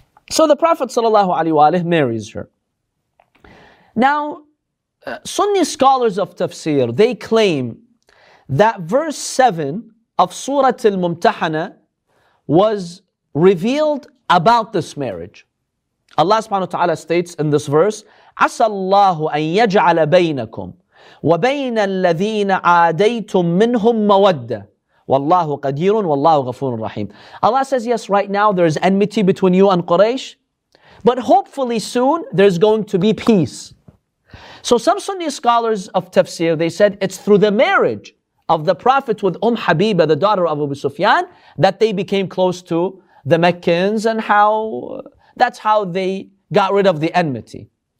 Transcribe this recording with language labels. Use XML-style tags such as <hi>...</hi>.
<en>So the Prophet sallallahu alaihi wa sallam marries her. Now, Sunni scholars of tafsir, they claim that verse 7 of Surah Al-Mumtahana was revealed about this marriage. Allah subhanahu wa ta'ala states in this verse,</en> <ar>عَسَى اللَّهُ أَن يَجْعَلَ بَيْنَكُمْ وَبَيْنَ الَّذِينَ عَادَيْتُم مِّنْهُمْ مَوَدَّةٌ وَاللَّهُ قَدِيرٌ وَاللَّهُ غَفُورٌ رَحِيمٌ.</ar> <en>Allah says, yes, right now there is enmity between you and Quraysh, but hopefully soon there's going to be peace. So some Sunni scholars of tafsir, they said it's through the marriage of the Prophet with Habiba, the daughter of Abu Sufyan, that they became close to the Meccans, and how that's how they got rid of the enmity.</en>